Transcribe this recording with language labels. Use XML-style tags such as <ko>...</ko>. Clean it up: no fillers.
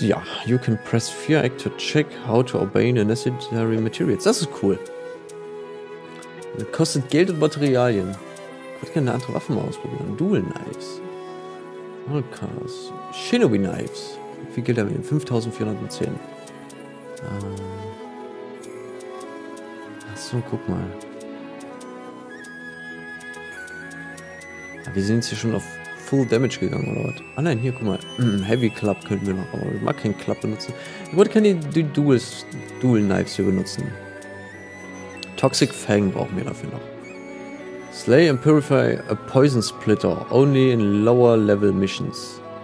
<en>Yeah, you can press Fear Act to check how to obtain the necessary materials.</en> <de>Das ist cool. Das kostet Geld und Materialien. Ich würde gerne eine andere Waffe mal ausprobieren. Dual Knives. Holkas. Shinobi Knives. Wie viel Geld haben wir denn? 5410. Achso, guck mal. Wir sind jetzt hier schon auf Full Damage gegangen, oder was? Ah nein, hier, guck mal. Heavy Club könnten wir noch, aber ich mag keinen Club benutzen. Ich wollte keine Dual Knives hier benutzen. Toxic Fang brauchen wir dafür noch.</de> <en>Slay and Purify a Poison Splitter. Only in lower level missions.</en>